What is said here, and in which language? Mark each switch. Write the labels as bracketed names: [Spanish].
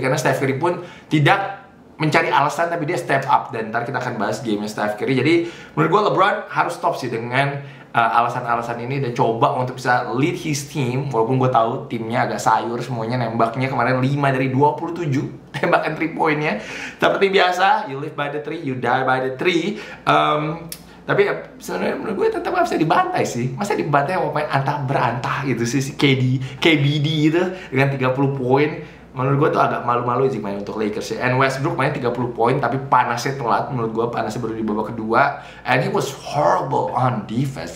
[Indonesian] Karena Steph Curry pun tidak mencari alasan, tapi dia step up. Dan ntar kita akan bahas game-nya Steph Curry. Jadi menurut gue LeBron harus stop sih dengan alasan-alasan ini dan coba untuk bisa [English] lead his team. [Indonesian] Walaupun gue tahu timnya agak sayur semuanya, nembaknya kemarin 5 dari 27 tembakan 3 poinnya. Seperti biasa, [English] you live by the 3, you die by the 3. [Indonesian] Tapi ya, sebenarnya menurut gue tetap gak bisa dibantai sih. Masa dibantai sama pemain antah-berantah gitu sih, si KD, KBD itu dengan 30 poin. Menurut gue tuh agak malu-malu sih main untuk Lakers ya. And Westbrook main 30 poin tapi panasnya telat. Menurut gue panasnya baru di babak kedua. [English] And he was horrible on defense.